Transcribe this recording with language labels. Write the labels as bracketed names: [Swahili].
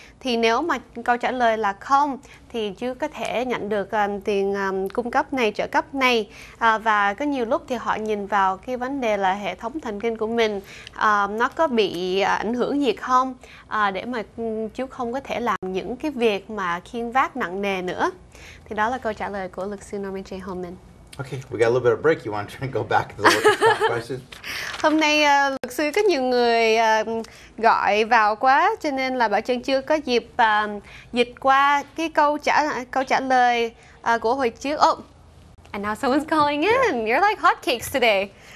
[Vietnamese] Thì nếu mà câu trả lời là không, thì chú có thể nhận được tiền cung cấp này, trợ cấp này. Và có nhiều lúc thì họ nhìn vào cái vấn đề là hệ thống thần kinh của mình nó có bị ảnh hưởng gì không, để mà chú không có thể làm những cái việc mà khiêng vác nặng nề nữa. Thì đó là câu trả lời của luật sư Norman J. Homen. [English] Okay, we got a little bit of break. You want to try and go back to the questions? [Vietnamese] Hôm nay luật sư có nhiều người gọi vào quá, cho nên là Bảo Trân chưa có dịp dịch qua cái câu trả lời của hồi trước. [English] Oh, and now someone's calling in. Yeah. You're like hotcakes today.